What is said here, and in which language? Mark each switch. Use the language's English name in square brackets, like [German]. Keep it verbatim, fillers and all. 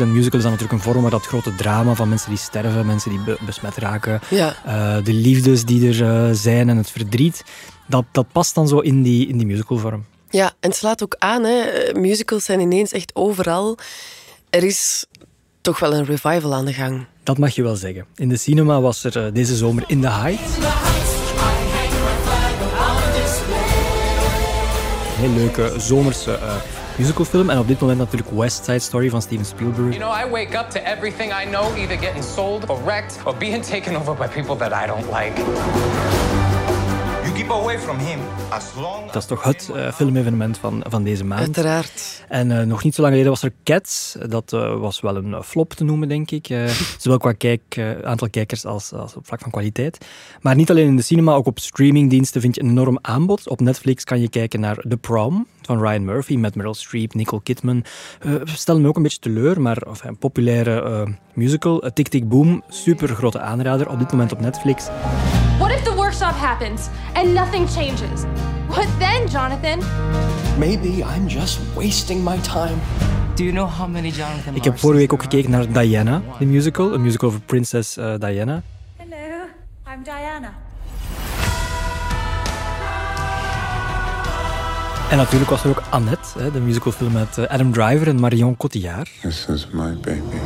[Dutch] En musical is dan natuurlijk een vorm waar dat grote drama van mensen die sterven, mensen die be- besmet raken, ja. uh, de liefdes die er uh, zijn en het verdriet, dat, dat past dan zo in die, in die musicalvorm. Ja, en het slaat ook aan. Hè. Musicals zijn ineens echt overal. Er is toch wel een revival aan de gang. Dat mag je wel zeggen. In de cinema was er uh, deze zomer In the Heights. Heel leuke zomerse uh, musicalfilm. En op dit moment natuurlijk West Side Story van Steven Spielberg. [English] You know, I wake up to everything I know either getting sold or wrecked or being taken over by people that I don't like. You keep away from him as long as... [Dutch] Dat is toch het uh, filmevenement van, van deze maand. Uiteraard. En uh, nog niet zo lang geleden was er Cats. Dat uh, was wel een flop te noemen, denk ik. Uh, zowel qua kijk, uh, aantal kijkers als, als op vlak van kwaliteit. Maar niet alleen in de cinema, ook op streamingdiensten vind je een enorm aanbod. Op Netflix kan je kijken naar The Prom van Ryan Murphy met Meryl Streep, Nicole Kidman. Uh, stel me ook een beetje teleur, maar of, een populaire uh, musical. Uh, Tick Tick Boom, super grote aanrader. Op dit moment op Netflix. [English] What if the workshop happens and nothing changes? What then, Jonathan? Maybe I'm just wasting my time. Do you know how many Jonathan? [Dutch] Ik heb vorige week ook gekeken naar Diana, de musical, een musical over prinses uh, Diana. [English] Hello, I'm Diana. [Dutch] En natuurlijk was er ook Annette, de musicalfilm met Adam Driver en Marion Cotillard. [English] This is my baby.